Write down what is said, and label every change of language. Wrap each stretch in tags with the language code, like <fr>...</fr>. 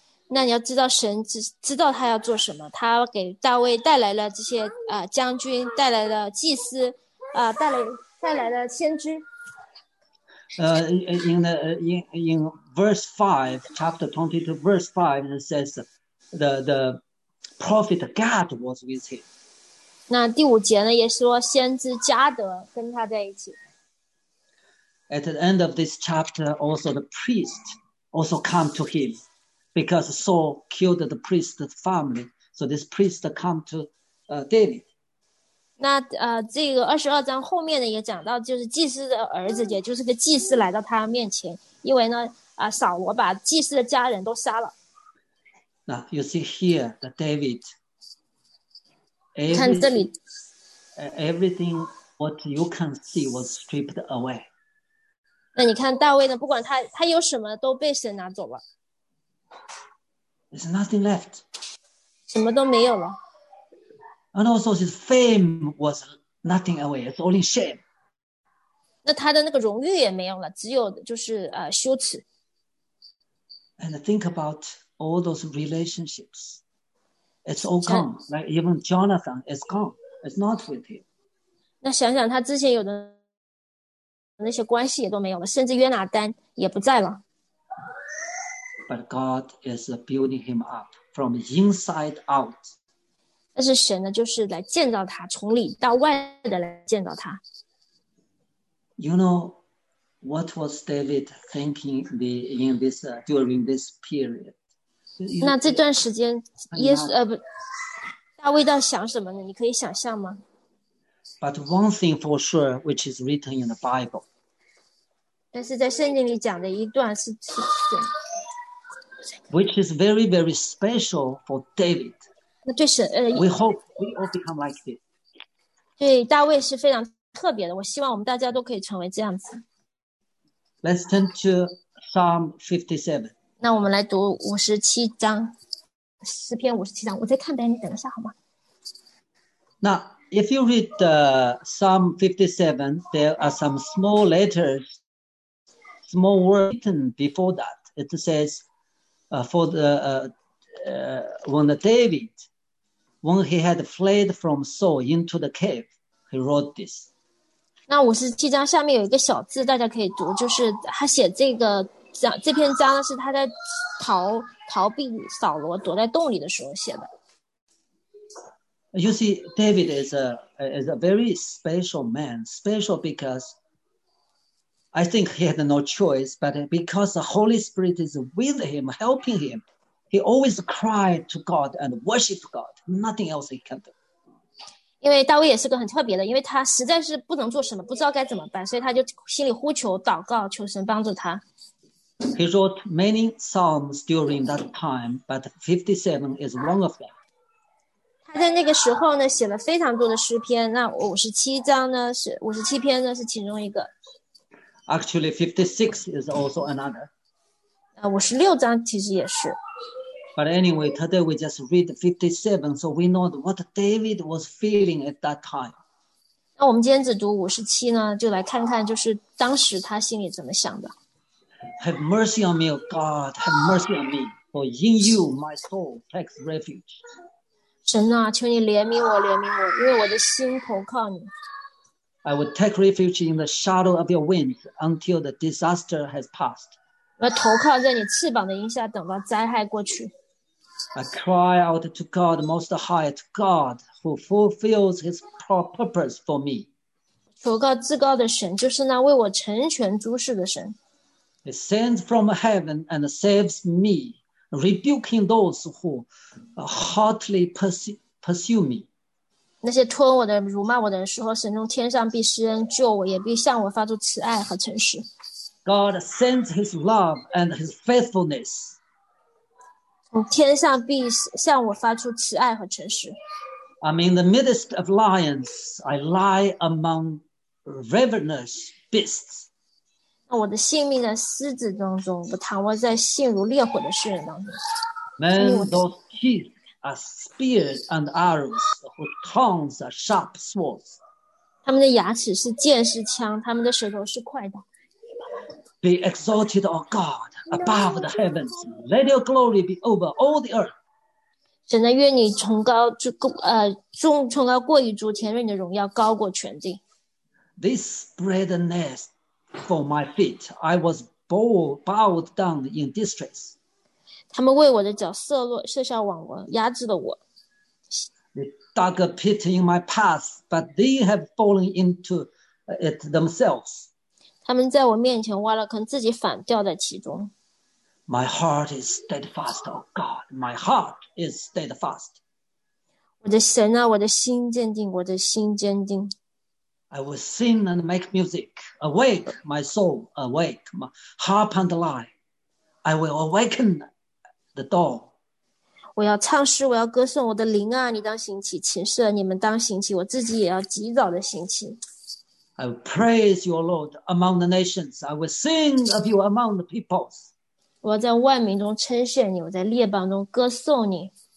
<zh>那你要知道神知道他要做什么，他给大卫带来了这些将军，带来了祭司，带来了先知。</zh> <en>In verse 5, chapter 22, verse 5, it says the prophet Gad was with him.</en> <zh>那第五节呢，也说先知加德跟他在一起。</zh> <en>At the end of this chapter, also the priest also come to him because Saul killed the priest's family. So this priest come to David.</en> <zh>那这个二十二章后面呢也讲到，就是祭司的儿子，也就是个祭司来到他面前，因为呢扫罗把祭司的家人都杀了。</zh> <en>Now you see here the David.</en> <zh>看这里。</zh> <en>Everything what you can see was stripped away.</en> <zh>那你看大卫呢，不管他有什么都被神拿走了。</zh> <en>There's nothing left.</en> <zh>什么都没有了。</zh> <en>And also his fame was nothing away, it's only shame.</en> <zh>那他的那个荣誉也没有了，只有就是羞耻。</zh> <en>And think about all those relationships. It's all gone, like even Jonathan is gone, it's not with him.</en> <zh>那想想他之前有的那些关系也都没有了，甚至约拿丹也不在了。</zh> <en>But God is building him up from inside out.</en> <zh>但是神呢，就是来建造他，从里到外的来建造他。</zh> <en>You know what was David thinking in this during this period?</en> <zh>那这段时间，耶稣大卫在想什么呢？你可以想象吗？</zh> <en>But one thing for sure, which is written in the Bible.</en> <zh>但是在圣经里讲的一段是</zh> <en>which is very, very special for David.</en> <zh>那对神</zh> <en>we hope we all become like this.</en> <zh>对大卫是非常特别的，我希望我们大家都可以成为这样子。</zh> <en>Let's turn to Psalm 57.</en> <zh>那我们来读五十七章，诗篇五十七章。我在看呗，你等一下好吗？那。</zh> <en>If you read Psalm 57, there are some small letters, small words written before that. It says, when he had fled from Saul into the cave, he wrote this.</en> <zh>那五十七章下面有一个小字，大家可以读，就是他写这个章这篇章是他在逃避扫罗，躲在洞里的时候写的。</zh> <en>You see, David is a very special man, special because I think he had no choice, but because the Holy Spirit is with him, helping him, he always cried to God and worshiped God. Nothing else he can do.</en> <zh>因为大卫也是个很特别的，因为他实在是不能做什么，不知道该怎么办，所以他就心里呼求、祷告，求神帮助他。</zh> <en>He wrote many psalms during that time, but 57 is one of them.</en> <zh>他在那个时候呢，写了非常多的诗篇，那五十七篇呢是其中一个。</zh> <en>Actually, 56 is also another.</en> <zh>五十六章其实也是。</zh> <en>But anyway, today we just read 57, so we know what David was feeling at that time.</en> <zh>那我们今天只读五十七呢，就来看看就是当时他心里怎么想的。</zh> <en>Have mercy on me, O God, have mercy on me, for in you my soul takes refuge.</en> <zh>神啊，求你怜悯我，怜悯我，因为我的心投靠你。</zh> <en>I will take refuge in the shadow of your wings until the disaster has passed.</en> <zh>我投靠在你翅膀的荫下，等到灾害过去。</zh> <en>I cry out to God Most High, to God who fulfills His purpose for me.</en> <zh>投靠至高的神，就是那为我成全诸事的神。</zh> <en>He sends from heaven and saves me, rebuking those who hotly pursue me.</en> <zh>那些吞我的、辱骂我的时候，神从天上必施恩救我，也必向我发出慈爱和诚实。</zh> <en>God sends His love and His faithfulness.</en> <zh>从天上必向我发出慈爱和诚实。</zh> <en>I'm in the midst of lions. I lie among ravenous beasts.</en> <zh>我的性命在狮子当中，我躺卧在性如烈火的狮人当中。</zh> <en>Men, those teeth are spears and arrows, whose tongues are sharp swords.</en> <zh>他们的牙齿是剑，是枪，他们的舌头是快刀。</zh> <en>Be exalted, O God, above the heavens. Let your glory be over all the earth.</en> <zh>神啊，愿你崇高过于诸天，愿你的荣耀高过全地。</zh> <en>This spread a nest for my feet. I was bowed down in distress.</en> <zh>他们为我的脚设下网罗，压制了我。</zh> <en>They dug a pit in my path, but they have fallen into it themselves.</en> <zh>他们在我面前挖了坑，自己反掉在其中。</zh> <en>My heart is steadfast, O God. My heart is steadfast.</en> <zh>我的神啊，我的心坚定，我的心坚定。</zh> <en>I will sing and make music. Awake, my soul, awake, my harp and lyre. I will awaken the dawn.</en> <zh>我要唱诗，我要歌颂我的灵啊！你当兴起，琴瑟你们当兴起，我自己也要及早的兴起。</zh> <en>I will praise your Lord among the nations. I will sing of you among the peoples.</en> <zh>我要在万民中称谢你，我在列邦中歌颂你。</zh>